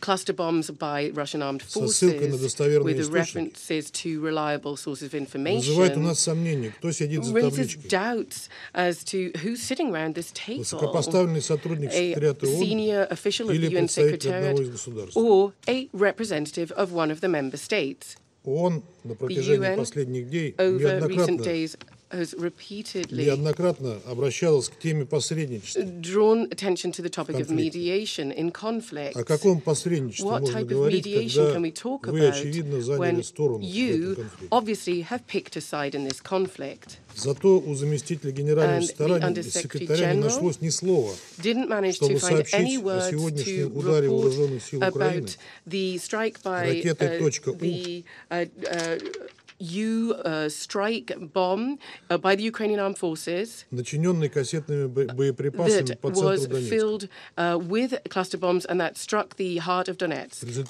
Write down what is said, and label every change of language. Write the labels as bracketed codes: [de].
[en] cluster bombs by Russian armed forces with references to reliable sources of information raises doubts as to who's sitting around this table, a senior official of the UN Secretariat or a representative of one of the member states. [ru] ООН на протяжении последних дней неоднократно обращалась к теме посредничества. О каком посредничестве можно говорить, когда вы, очевидно, заняли сторону в этом конфликте? Зато у заместителя генерального секретаря не нашлось ни слова, чтобы сообщить о сегодняшнем ударе вооруженных сил Украины ракетой .U. [en] U strike bomb by the Ukrainian armed forces that was filled with cluster bombs and that struck the heart of Donetsk.